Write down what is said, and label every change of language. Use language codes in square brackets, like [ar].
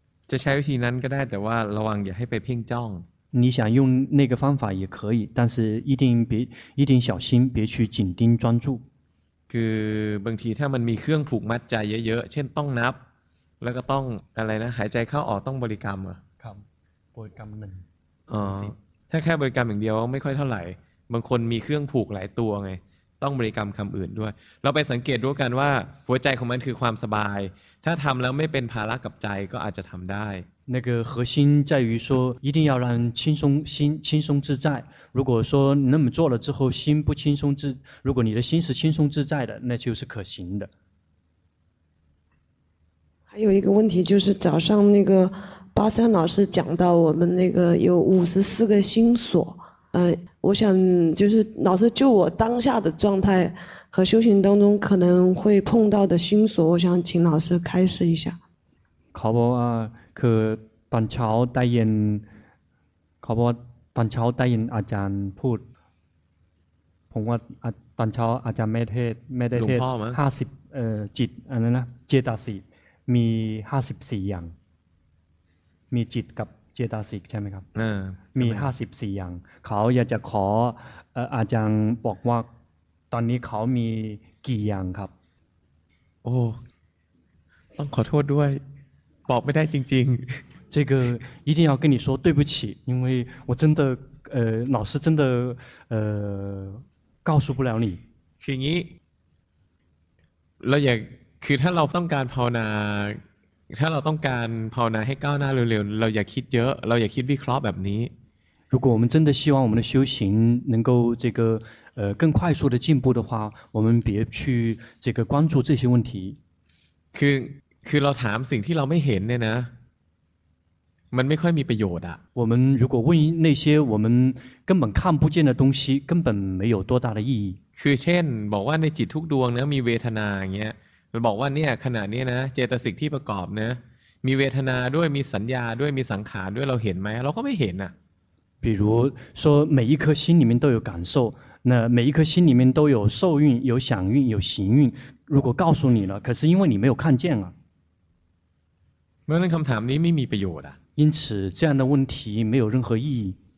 [th] จะใช้วิธีนั้นก็ได้แต่ว่าระวังอย่าให้ไปเพ่งจ้อง [zh] 你想用那个方法也可以但是一定别一定小心别去紧盯专注 [th] คือบางทีถ้ามันมีเครื่องผูกมัดใจเยอะๆเช่นต้องนับแล้วก็ต้องอะไรนะหายใจเข้าออกต้องบริกรรมอ่ะ ครับบริกรรมหนึ่ง ถ้าแค่บริกรรมอย่างเดียวไม่ค่อยเท่าไหร่บางคนมีเครื่องผูกหลายตัวไงต้องบริกรรมคำอื่นด้วยเราไปสังเกตดูกันว่าหัวใจของมันคือความสบายถ้าทำแล้วไม่เป็นภาระกับใจก็อาจจะทำได้ [zh] 那个核心在于说一定要让轻松心轻松自在如果说那么做了之后心不轻松自如果你的心是轻松自在的那就是可行的还有一个问题就是早上那个巴山老师讲到我们那个有54个心所我想就是老师就我当下的状态和修行当中可能会碰到的心所我想请老师开示一下 [th] เขาบอกว่าคือตอนเช้าได้ยินเขาบอกตอนเช้าได้ยินอาจารย์พูดผมว่าตอนเช้าอาจารย์ไม่ได้เทศ50จิตอันนั้นนะเจตสิกมี54อย่างมีจิตกับเจตสิกใช่ไหมครับมี54อย่างเขาอยากจะขออาจารย์บอกว่าตอนนี้เขามีกี่อย่างครับ โอ้ต้องขอโทษด้วยบอกไม่ได้จริง [zh] ๆ这个一定要跟你说对不起因为我真的老师真的告诉不了你 [th] คืออย่างนี้เราอยากคือถ้าเราต้องการภาวนาถ้าเราต้องการภาวนาให้ก้าวหน้าเร็วๆเราอย่าคิดเยอะเราอย่าคิดวิเคราะห์แบบนี้ [zh] 如果我们真的希望我们的修行能够这个更快速的进步的话我们别去这个关注这些问题 [th] คือเราถามสิ่งที่เราไม่เห็นเนี่ยนะมันไม่ค่อยมีประโยชน์อ่ะ [zh] 我们如果问那些我们根本看不见的东西根本没有多大的意义 [th] คือเช่นบอกว่าในจิตทุกดวงนะมีเวทนาอย่างเงี้ยมันบอกว่าเนี่ยขณะนี้นะเจตสิกที่ประกอบนะมีเวทนาด้วยมีสัญญาด้วยมีสังขารด้วยเราเห็นไหมเราก็ไม่เห็นอ่ะ [zh] 比如说每一颗心里面都有感受那每一颗心里面都有受蕴，有想蕴，有行蕴，如果告诉你了，可是因为你没有看见啊。没人看他们，你没没必要的。因此，这样的问题没有任何意义。